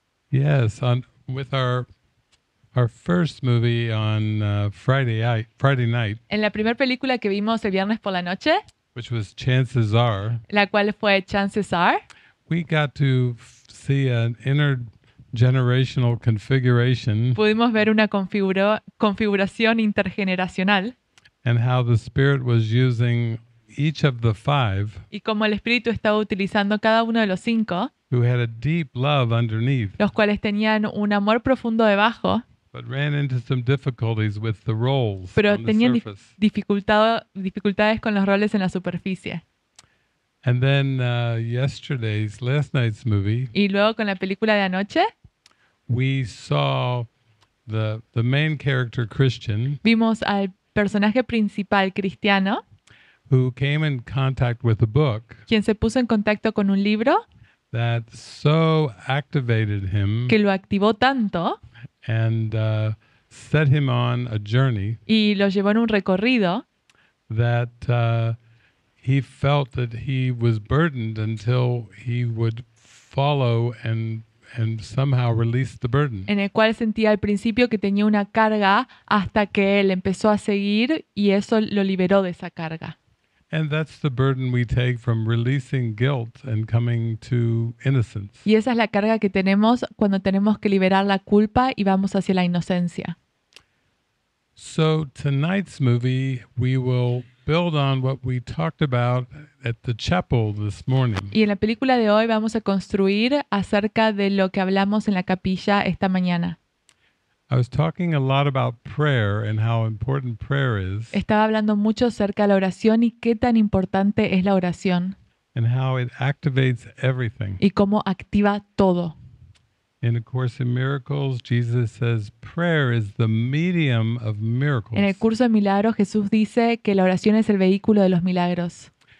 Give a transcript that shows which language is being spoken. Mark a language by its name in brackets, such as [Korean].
[English] Yes, with our first movie on Friday night. [Spanish] En la primera película que vimos el viernes por la noche. [English] Which was Chances Are. [Spanish] La cual fue Chances Are. [English] We got to see an intergenerational configuration. [Spanish] Pudimos ver una configuración intergeneracional. [English] And how the spirit was using each of the five. [Spanish] Y cómo el espíritu estaba utilizando cada uno de los cinco. [English] Who had a deep love underneath. [Spanish] Los cuales tenían un amor profundo debajo. [English] But ran into some difficulties with the roles. [Spanish] Pero [English] on [Spanish] tenían [English] the surface. [Spanish] dificultades con los roles en la superficie. [English] And then last night's movie. [Spanish] Y luego con la película de anoche. [English] We saw the main character Christian. [Spanish] Vimos al personaje principal cristiano. [English] Who came in contact with a book. [Spanish] Quien se puso en contacto con un libro. [English] That so activated him. [Spanish] Que lo activó tanto. [English] And set him on a journey. [Spanish] Y lo llevó en un recorrido. [English] That he felt that he was burdened until he would follow and somehow release the burden. [Spanish] En el cual sentía al principio que tenía una carga hasta que él empezó a seguir y eso lo liberó de esa carga. [English] And that's the burden we take from releasing guilt and coming to innocence. [Spanish] Y esa es la carga que tenemos cuando tenemos que liberar la culpa y vamos hacia la inocencia. [English] So tonight's movie, we will build on what we talked about at the chapel this morning. [Spanish] Y en la película de hoy vamos a construir acerca de lo que hablamos en la capilla esta mañana. [English] I was talking a lot about prayer and how important prayer is. [Spanish] Estaba hablando mucho acerca de la oración y qué tan importante es la oración. [English] And how it activates everything. [Spanish] Y cómo activa todo. [English] In A Course in Miracles, Jesus says prayer is the medium of miracles. [Spanish] En el curso de milagros, Jesús dice que la oración es el vehículo de los milagros.